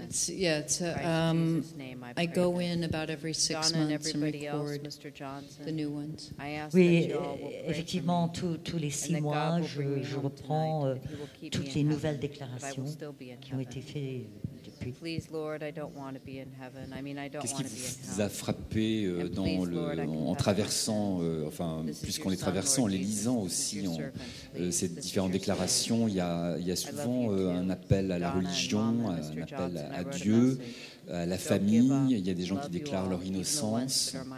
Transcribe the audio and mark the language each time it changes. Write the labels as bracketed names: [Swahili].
[English] I go in about every 6 months and record the new ones. [French] Oui, effectivement, tous les 6 mois, je reprends toutes les nouvelles déclarations qui ont été faites. [English] Please Lord, I don't want to be in heaven. I mean, I don't want to be in hell. [French] Qu'est-ce qui vous a frappé dans le, en traversant, plus qu'en les traversant, en les lisant aussi, en ces différentes déclarations, il y a souvent un appel à la religion, un appel à Dieu, à la famille. Il y a des gens qui déclarent leur innocence.